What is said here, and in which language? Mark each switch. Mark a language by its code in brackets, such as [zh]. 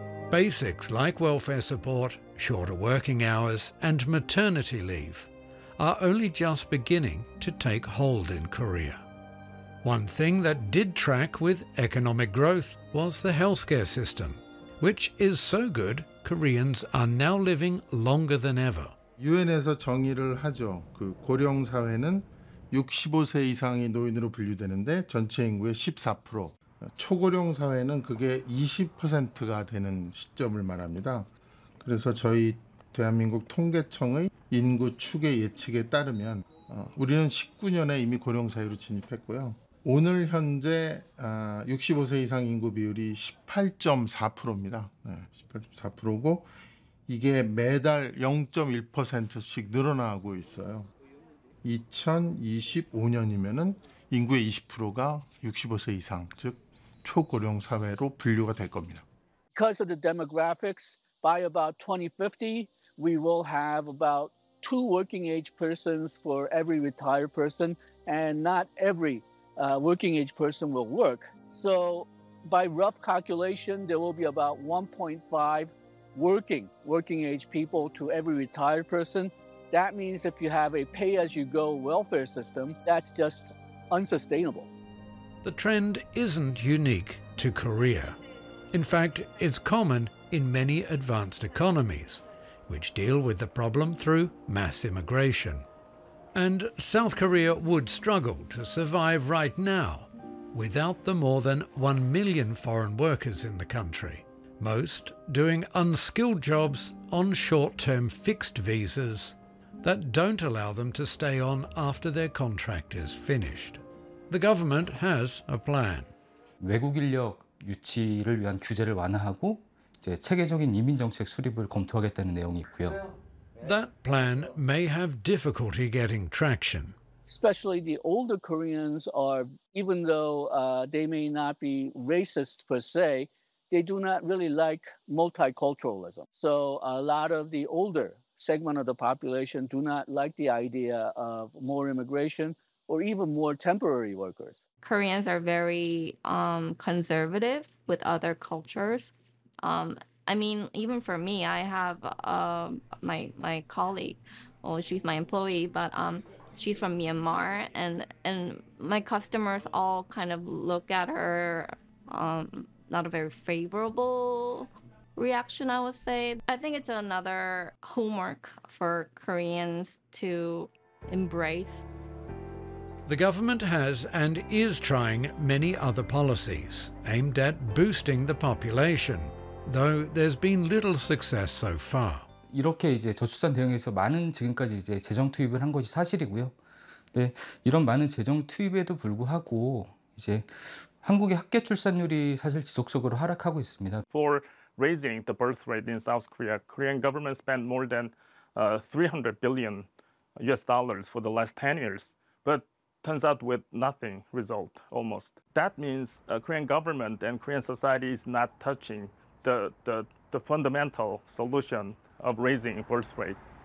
[en] Basics like welfare support, shorter working hours, and maternity leave are only just beginning to take hold in Korea. One thing that did track with economic growth was the healthcare system, which is so good Koreans are now living longer than ever. [ko] 유엔에서 정의를 하죠. 그 고령 사회는 65세 이상이 노인으로 분류되는데 전체 인구의 14%. 초고령 사회는 그게 20%가 되는 시점을 말합니다. 그래서 저희 대한민국 통계청의 인구 추계 예측에 따르면 우리는 19년에 이미 고령 사회로 진입했고요. 오늘 현재 65세 이상 인구 비율이 18.4%입니다. 18.4%고 이게 매달 0.1%씩 늘어나고 있어요. 2025년이면은 인구의 20%가 65세 이상, 즉 초고령 사회로 분류가 될 겁니다. [en] Because of the demographics, by about 2050, we will have about 2 working age persons for every retired person, and not every working age person will work. So by rough calculation, there will be about 1.5 working age people to every retired person. That means if you have a pay-as-you-go welfare system, that's just unsustainable. The trend isn't unique to Korea. In fact, it's common in many advanced economies, which deal with the problem through mass immigration. And South Korea would struggle to survive right now without the more than 1 million foreign workers in the country, most doing unskilled jobs on short-term fixed visas that don't allow them to stay on after their contract is finished. The government has a plan. [ko] 외국 인력 유치를 위한 규제를 완화하고 이제 체계적인 이민 정책 수립을 검토하겠다는 내용이 있고요. [en] That plan may have difficulty getting traction. Especially the older Koreans are, even though they may not be racist per se, they do not really like multiculturalism. So a lot of the older segment of the population do not like the idea of more immigration or even more temporary workers. Koreans are very conservative with other cultures. I mean, even for me, I have my colleague, well, she's my employee, but she's from Myanmar, and my customers all kind of look at her not a very favorable reaction, I would say. I think it's another homework for Koreans to embrace. The government has and is trying many other policies aimed at boosting the population, though there's been little success so far. [ko] 이렇게 이제 저출산 대응에서 많은 지금까지 이제 재정 투입을 한 것이 사실이고요. 네, 이런 많은 재정 투입에도 불구하고 이제 한국의 합계 출산율이 사실 지속적으로 하락하고 있습니다. [en] For raising the birth rate in South Korea, Korean government spent more than 300 billion US dollars for the last 10 years, but turns out with nothing result almost. That means Korean government and Korean society is not touching the fundamental solution of raising birth rate.